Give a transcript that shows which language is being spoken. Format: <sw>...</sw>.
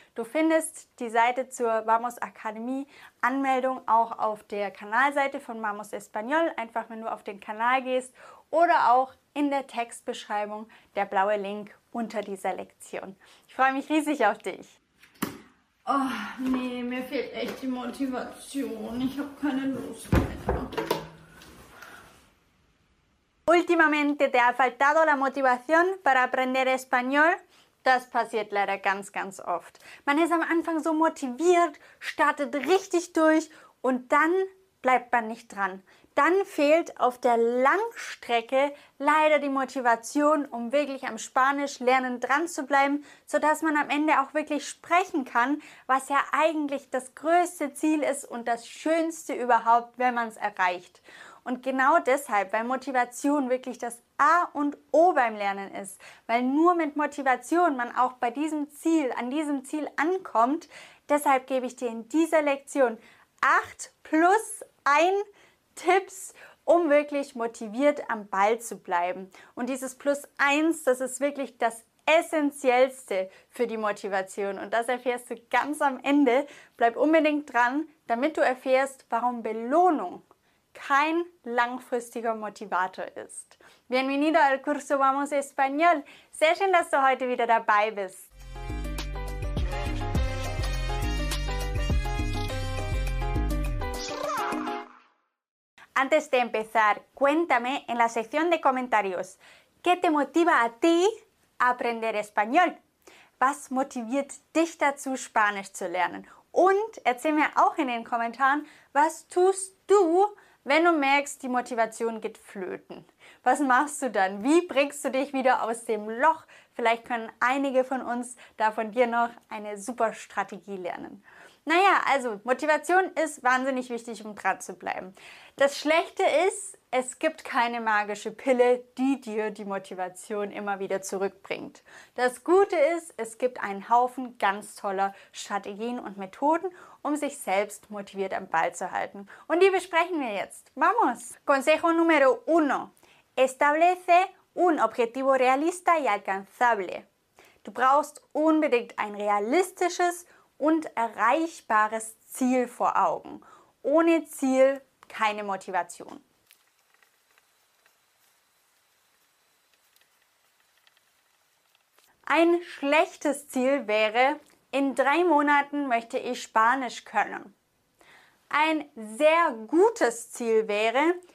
<de>Du findest die Seite zur Vamos Akademie Anmeldung auch auf der Kanalseite von Vamos Español, einfach wenn du auf den Kanal gehst, oder auch in der Textbeschreibung der blaue Link unter dieser Lektion. Ich freue mich riesig auf dich. Oh, nee, mir fehlt echt die Motivation. Ich habe keine Lust mehr.</de> <es>Últimamente te ha faltado la motivación para aprender español.</es> <de>Das passiert leider ganz, ganz oft. Man ist am Anfang so motiviert, startet richtig durch und dann bleibt man nicht dran. Dann fehlt auf der Langstrecke leider die Motivation, um wirklich am Spanisch lernen dran zu bleiben, sodass man am Ende auch wirklich sprechen kann, was ja eigentlich das größte Ziel ist und das Schönste überhaupt, wenn man es erreicht. Und genau deshalb, weil Motivation wirklich das A und O beim Lernen ist, weil nur mit Motivation man auch bei diesem Ziel, an diesem Ziel ankommt, deshalb gebe ich dir in dieser Lektion 8 plus 1 Tipps, um wirklich motiviert am Ball zu bleiben. Und dieses Plus 1, das ist wirklich das Essentiellste für die Motivation. Und das erfährst du ganz am Ende. Bleib unbedingt dran, damit du erfährst, warum Belohnung kein langfristiger Motivator ist.</de> <es>Bienvenido al curso Vamos Español.</es> <de>Sehr schön, dass du heute wieder dabei bist.</de> <es>Antes de empezar, cuéntame en la sección de comentarios, ¿qué te motiva a ti a aprender español?</es> <de>Was motiviert dich dazu, Spanisch zu lernen? Und erzähl mir auch in den Kommentaren, was tust du, wenn du merkst, die Motivation geht flöten? Was machst du dann? Wie bringst du dich wieder aus dem Loch? Vielleicht können einige von uns da von dir noch eine super Strategie lernen. Naja, also Motivation ist wahnsinnig wichtig, um dran zu bleiben. Das Schlechte ist, es gibt keine magische Pille, die dir die Motivation immer wieder zurückbringt. Das Gute ist, es gibt einen Haufen ganz toller Strategien und Methoden, um sich selbst motiviert am Ball zu halten. Und die besprechen wir jetzt.</de> <es>Vamos! Consejo número uno. Establece un objetivo realista y alcanzable.</es> <de>Du brauchst unbedingt ein realistisches und erreichbares Ziel vor Augen. Ohne Ziel keine Motivation. Ein schlechtes Ziel wäre, in 3 Monaten möchte ich Spanisch können. Ein sehr gutes Ziel wäre,</de>